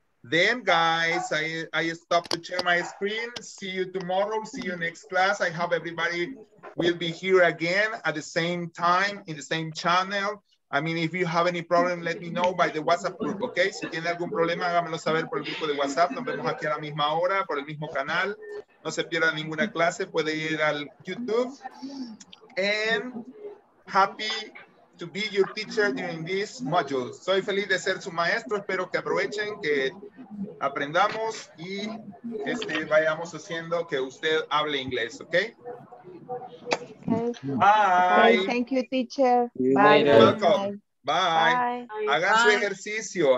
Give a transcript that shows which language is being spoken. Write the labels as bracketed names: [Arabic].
[English] Then, guys, I stop to share my screen. See you tomorrow. See you next class. I hope everybody will be here again at the same time in the same channel. I mean, if you have any problem, let me know by the WhatsApp group. Okay. [Spanish] Si tiene algún problema, hágamelo saber por el grupo de WhatsApp. Nos vemos aquí a la misma hora por el mismo canal. No se pierda ninguna clase. Puede ir al YouTube. [English] And happy to be your teacher during this module. [Spanish] Soy feliz de ser su maestro. Espero que aprovechen, que aprendamos y vayamos haciendo que usted hable inglés, ¿ok? [English] Okay. Bye. Thank you, teacher. Bye. Welcome. Bye. [Spanish] Hagan su ejercicio.